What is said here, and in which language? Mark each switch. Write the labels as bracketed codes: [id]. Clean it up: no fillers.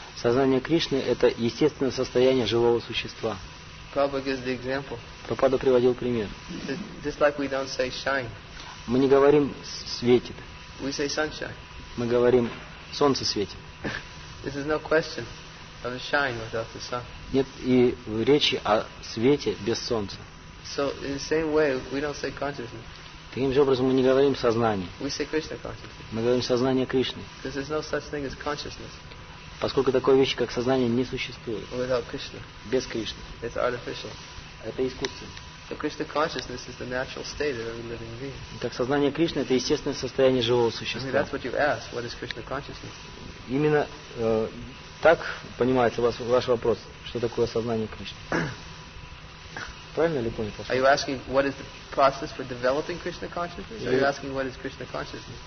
[ru] Сознание Кришны – это естественное состояние живого существа. [en] Prabhupada gives the example. [ru] Прабхупада приводил пример. [en] Just like we don't say shine. [ru] Мы не говорим светит. [en] We say sunshine. [ru] Мы говорим солнце светит. [en] This is no question of a shine without the sun. [ru] Нет и речи о свете без солнца. [en] So in the same way we don't say consciousness. [ru] Таким же образом мы не говорим сознание. [en] We say Krishna consciousness. [ru] Мы говорим сознание Кришны. [en] Because there's no such thing as consciousness. [ru] Поскольку такой вещи, как сознание, не существует. [en] Without Krishna. [ru] Без Кришны. [en] It's artificial. [ru] Это искусство. [en] So Krishna consciousness is the natural state of every living being. [ru] Так сознание Кришны – это естественное состояние живого существа. [en] That's what you ask. What is Krishna consciousness? [ru] Именно так понимается ваш вопрос, что такое сознание Кришны. Правильно ли понял? [en] Are you asking what is the process for developing Krishna consciousness? Or are you asking what is Krishna consciousness?